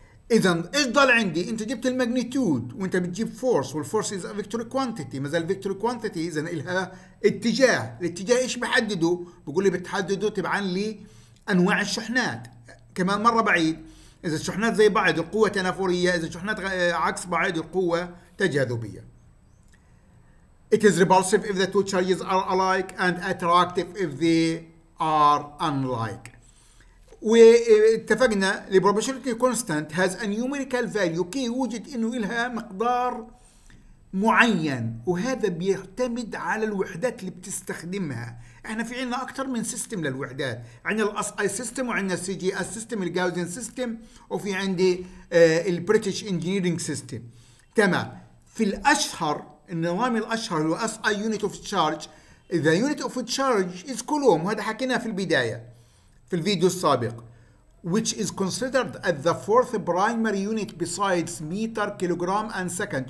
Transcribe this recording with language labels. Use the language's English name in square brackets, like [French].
[Arabic] إذن إيش ضل عندي؟ أنت جبت الماجنيتود وأنت بتجيب فورس، والفورس [English] is a vector quantity، [Arabic] مازال vector quantity، إذن إلها اتجاه. الاتجاه إيش بحدده؟ بقول لي بتحدده تبعا لي أنواع الشحنات. كمان مرة بعيد، إذا الشحنات زي بعض القوة تنافرية، إذا الشحنات عكس بعض القوة تجاذبية. [English] It is repulsive if the two charges are alike and attractive if they are unlike. [Arabic] واتفقنا [English] the proportionality constant has a numerical value، [Arabic] كي وجد إنه إلها مقدار معين، وهذا بيعتمد على الوحدات اللي بتستخدمها. احنا في عنا اكتر من سيستم للوحدات، عنا الاس اي سيستم، وعنا السي جي اس سيستم، الجاوزين سيستم، وفي عندي البريتش انجينيرينج سيستم. تمام. في الاشهر، النظام الاشهر هو [English] S I unit of charge, the unit of charge is coulomb, [Arabic] وهذا حكيناه في البدايه في الفيديو السابق. [English] which is considered as the fourth primary unit besides meter, kilogram and second.